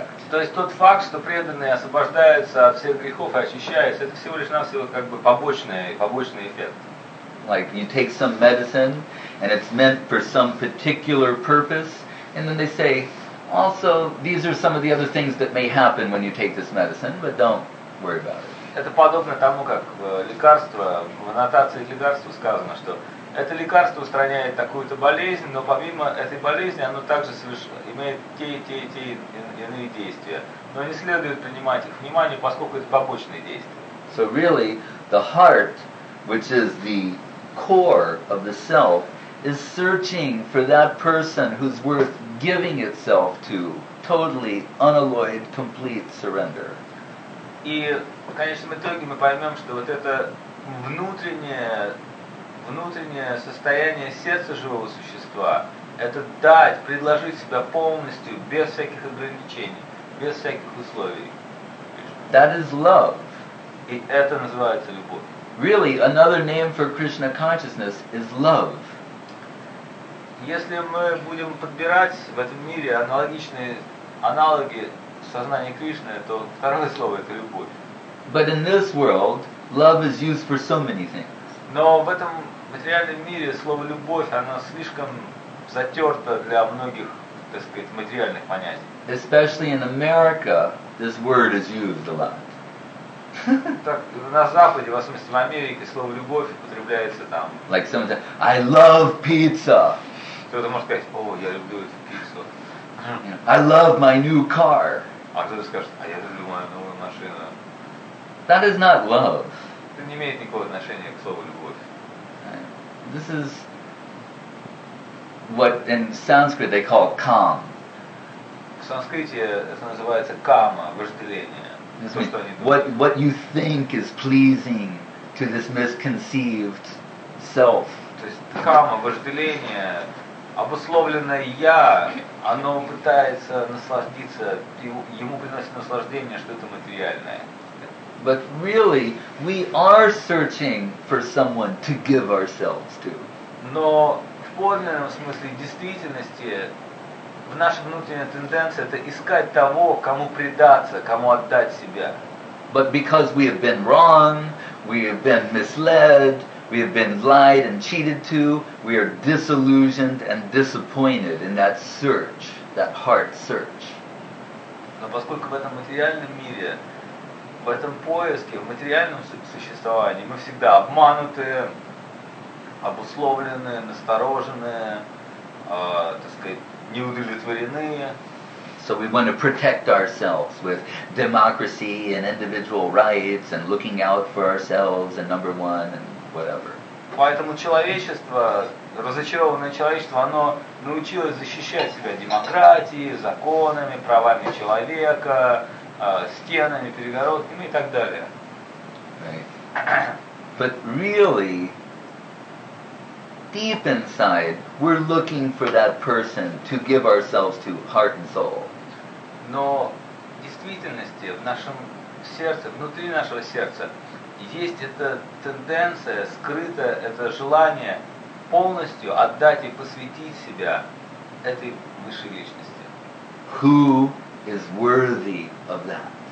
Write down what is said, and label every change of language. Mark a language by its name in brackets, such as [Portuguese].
[Russian] То есть тот факт, что преданные освобождаются от всех грехов и очищаются, это всего лишь навсего как бы побочный эффект. [English] Like you take some medicine and it's meant for some particular purpose, and then they say, also, these are some of the other things that may happen when you take this medicine, but don't worry about it. [Russian] Это подобно тому, как лекарство, в аннотации к лекарству сказано, что это лекарство устраняет такую-то болезнь, но помимо этой болезни оно также имеет те иные действия. Но не следует принимать их внимание, поскольку это побочные действия. [English] So really, the heart, which is the core of the self, is searching for that person who's worth giving itself to, totally, unalloyed, complete surrender. [Russian] И в конечном итоге мы поймем, что вот это внутреннее состояние сердца живого существа — это дать, предложить себя полностью, без всяких ограничений, без всяких условий. [English] That is love. [Russian] И это называется любовь. [English] Really, another name for Krishna consciousness is love. [Russian] Если мы будем подбирать в этом мире аналогичные аналоги сознания Кришны, то второе слово это любовь. [English] But in this world, love is used for so many things. [Russian] Но в этом материальном мире слово любовь, оно слишком затерто для многих, так сказать, материальных понятий. [English] Especially in America, this word is used a lot. [Russian] Так на Западе, в основном в Америке, слово любовь употребляется там. [English] Like someone said, I love pizza. [Russian] Кто-то может сказать, о, я люблю эту пиццу. [English] I love my new car. [Russian] А кто-то скажет, а я люблю мою новую машину. [English] That is not love. [Russian] Это не имеет никакого отношения к слову любовь. [English] This is what in Sanskrit they call calm. [Russian] В санскрите это называется кама, вожделение. [English] What you think is pleasing to this misconceived self. [Russian] То есть кама, вожделение, обусловленное я, оно пытается насладиться, ему приносит наслаждение что-то материальное. [English] But really, we are searching for someone to give ourselves to. [Russian] Но в подлинном смысле действительности в нашей внутренней тенденции это искать того, кому предаться, кому отдать себя. [English] But because we have been wrong, we have been misled, we have been lied and cheated to, we are disillusioned and disappointed in that search, that heart search. [Russian] Но поскольку в этом материальном мире, в этом поиске, в материальном существовании мы всегда обмануты, обусловлены, насторожены, так сказать, неудовлетворены. [English] So we want to protect ourselves with democracy and individual rights and looking out for ourselves and number one and whatever. [Russian] Поэтому человечество, разочарованное человечество, оно научилось защищать себя демократией, законами, правами человека, стенами, перегородками и так далее. [English] Right. But really, deep inside, we're looking for that person to give ourselves to, heart and soul. [Russian] Но в действительности, в нашем сердце, внутри нашего сердца, есть эта тенденция, скрыто это желание полностью отдать и посвятить себя этой высшей личности. [English] Who is worthy of that?